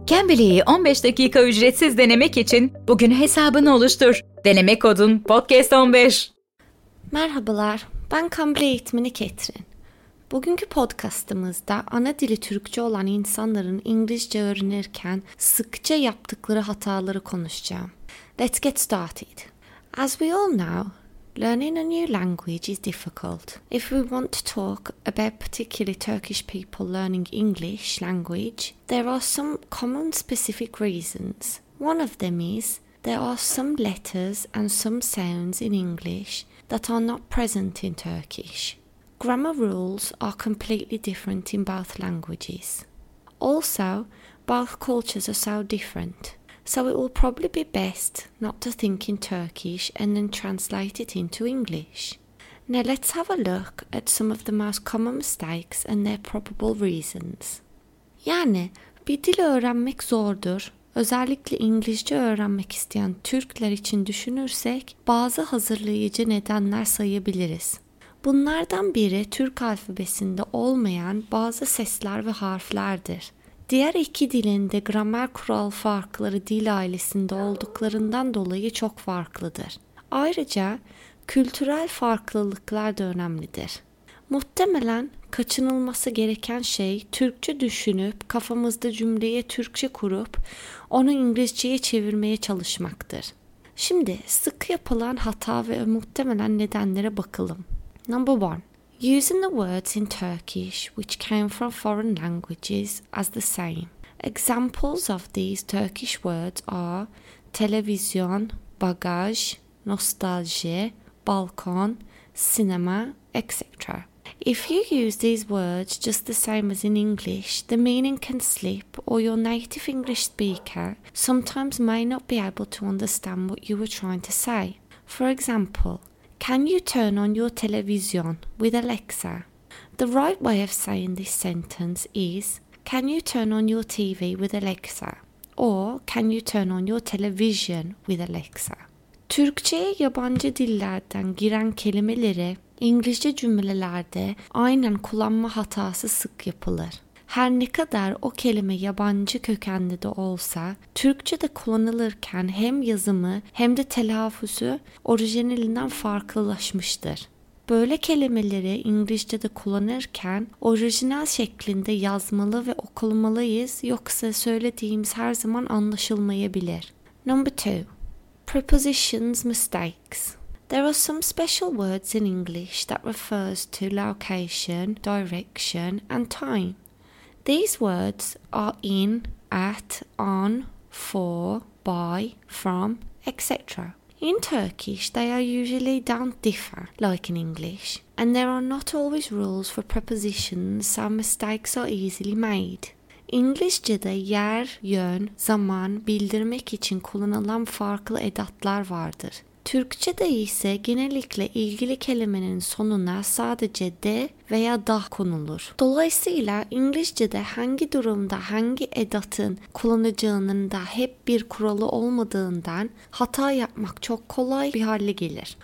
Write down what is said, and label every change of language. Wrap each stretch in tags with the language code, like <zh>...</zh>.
<tr>Cambly'yi 15 dakika ücretsiz denemek için bugün hesabını oluştur. Deneme kodun podcast15. Merhabalar, ben Cambly eğitmeni Ketrin. Bugünkü podcastımızda ana dili Türkçe olan insanların İngilizce öğrenirken sıkça yaptıkları hataları konuşacağım.</tr> <en>Let's get started. As we all know, learning a new language is difficult. If we want to talk about particularly Turkish people learning English language, there are some common specific reasons. One of them is there are some letters and some sounds in English that are not present in Turkish. Grammar rules are completely different in both languages. Also, both cultures are so different. So it will probably be best not to think in Turkish and then translate it into English. Now let's have a look at some of the most common mistakes and their probable reasons.</en> <tr>Yani bir dil öğrenmek zordur. Özellikle İngilizce öğrenmek isteyen Türkler için düşünürsek bazı hazırlayıcı nedenler sayabiliriz. Bunlardan biri Türk alfabesinde olmayan bazı sesler ve harflerdir. Diğer iki dilin de gramer kural farkları dil ailesinde olduklarından dolayı çok farklıdır. Ayrıca kültürel farklılıklar da önemlidir. Muhtemelen kaçınılması gereken şey Türkçe düşünüp kafamızda cümleye Türkçe kurup onu İngilizceye çevirmeye çalışmaktır. Şimdi sık yapılan hata ve muhtemelen nedenlere bakalım.</tr> <en>Number 1. Using the words in Turkish which came from foreign languages as the same. Examples of these Turkish words are television, bagaj, nostalji, balkon, cinema, etc. If you use these words just the same as in English, the meaning can slip or your native English speaker sometimes may not be able to understand what you were trying to say. For example, can you turn on your television with Alexa? The right way of saying this sentence is, can you turn on your TV with Alexa? Or can you turn on your television with Alexa?</en> <tr>Türkçe'ye yabancı dillerden giren kelimeleri İngilizce cümlelerde aynen kullanma hatası sık yapılır. Her ne kadar o kelime yabancı kökenli de olsa, Türkçe'de kullanılırken hem yazımı hem de telaffuzu orijinalinden farklılaşmıştır. Böyle kelimeleri İngilizce'de kullanırken orijinal şeklinde yazmalı ve okulmalıyız, yoksa söylediğimiz her zaman anlaşılmayabilir.</tr> <en>Number 2. Prepositions mistakes. There are some special words in English that refers to location, direction and time. These words are in, at, on, for, by, from, etc. In Turkish, they are usually don't differ, like in English, and there are not always rules for prepositions, so mistakes are easily made.</en> <tr>İngilizce'de yer, yön, zaman bildirmek için kullanılan farklı edatlar vardır. Türkçe'de ise genellikle ilgili kelimenin sonuna sadece de veya da konulur. Dolayısıyla İngilizce'de hangi durumda hangi edatın kullanacağının da hep bir kuralı olmadığından hata yapmak çok kolay bir hale gelir.</tr>